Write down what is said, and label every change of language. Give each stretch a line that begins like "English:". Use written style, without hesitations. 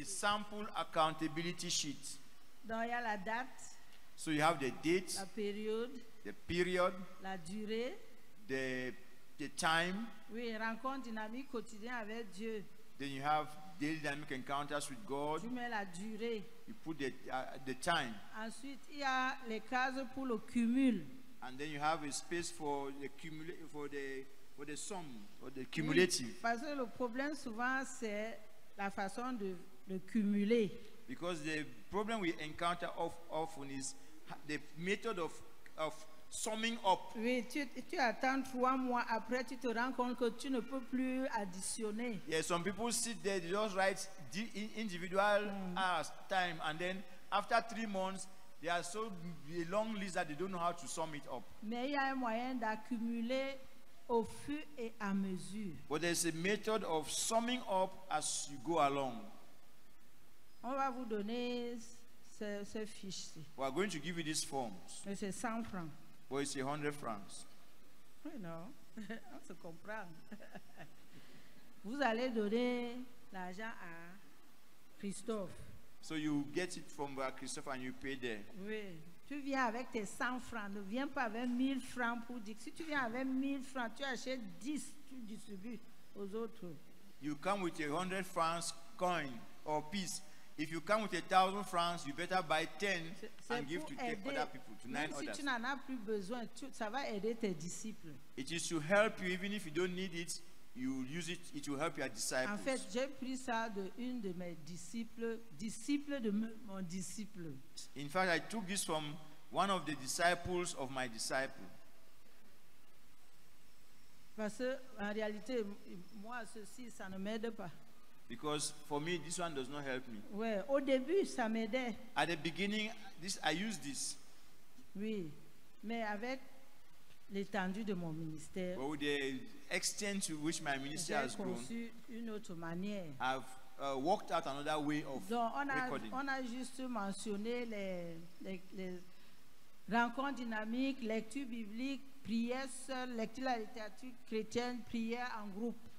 English: A sample accountability sheet.
French: Donc, y a la date.
English: So you have the date,
French: la période,
English: the period,
French: la durée,
English: the time.
French: Oui, rencontre dynamique quotidienne avec Dieu.
English: Then you have daily dynamic encounters with God.
French: Tu mets la durée.
English: You put the time.
French: Ensuite, il y a les cases pour le cumul.
English: And then you have a space for the cumulative, for the sum or the cumulative.
French: Oui, parce que le problème souvent c'est la façon de cumuler.
English: Because the problem we encounter often is the method of summing up.
French: Oui, tu attends 3 mois après tu te rends compte que tu ne peux plus additionner.
English: Yeah, some people sit there, they just write individual as time, and then after 3 months they are so a long list that they don't know how to sum it up.
French: Mais il y a un moyen d'accumuler au fur et à mesure.
English: But there's a method of summing up as you go along.
French: On va vous donner ce fichier.
English: We are going to give you these forms.
French: Mais c'est 100 francs. Bon, c'est 100 francs. Oui, non. On se comprend. Vous allez donner l'argent à Christophe. So you get it from Christophe and you pay there. Oui. Tu viens avec tes 100 francs. Ne viens pas avec 1000 francs pour dire. Si tu viens avec 1000 francs, tu achètes 10, tu distribues aux autres.
English: You come with a 100 francs coin or piece. If you come with 1,000 francs, you better buy 10 and give to 10 other people, to 9
French: si
English: others.
French: Tu n'en as plus besoin, ça va aider tes disciples.
English: It is to help you, even if you don't need it, you use it, it will help your disciples.
French: En fait, j'ai pris ça de une de mes disciples, disciple de mon disciple.
English: In fact, I took this from one of the disciples of my disciple.
French: Parce que, en réalité, moi, ceci, ça ne m'aide pas.
English: Because for me, this one does not help me.
French: Ouais, au début, ça m'aidait.
English: At the beginning, I used this.
French: Oui, mais avec l'étendue de mon ministère.
English: But with the extent to which my ministry has grown.
French: J'ai conçu une autre manière.
English: I've worked out another way of
French: donc,
English: recording.
French: On a juste mentionné les rencontres dynamiques, lecture biblique, prière seule, lecture la littérature chrétienne, prière en groupe.